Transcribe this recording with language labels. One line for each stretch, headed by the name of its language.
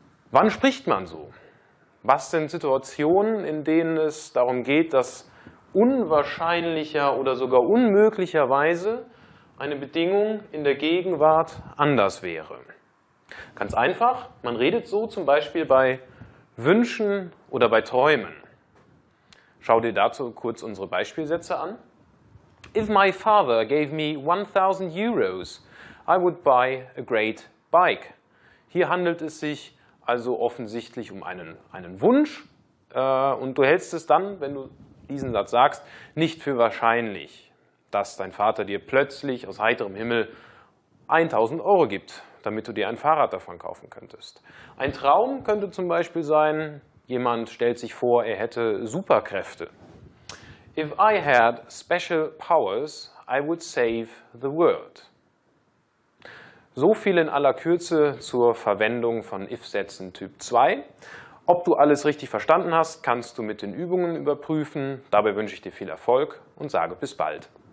German: Wann spricht man so? Was sind Situationen, in denen es darum geht, dass unwahrscheinlicher oder sogar unmöglicherweise eine Bedingung in der Gegenwart anders wäre? Ganz einfach, man redet so zum Beispiel bei Wünschen oder bei Träumen. Schau dir dazu kurz unsere Beispielsätze an.
English: If my father gave me 1000 euros, I would buy a great bike.
German: Hier handelt es sich also offensichtlich um einen Wunsch und du hältst es dann, wenn du diesen Satz sagst, nicht für wahrscheinlich, dass dein Vater dir plötzlich aus heiterem Himmel 1000 Euro gibt, damit du dir ein Fahrrad davon kaufen könntest. Ein Traum könnte zum Beispiel sein, jemand stellt sich vor, er hätte Superkräfte.
English: If I had special powers, I would save the world.
German: So viel in aller Kürze zur Verwendung von If-Sätzen Typ 2. Ob du alles richtig verstanden hast, kannst du mit den Übungen überprüfen. Dabei wünsche ich dir viel Erfolg und sage bis bald.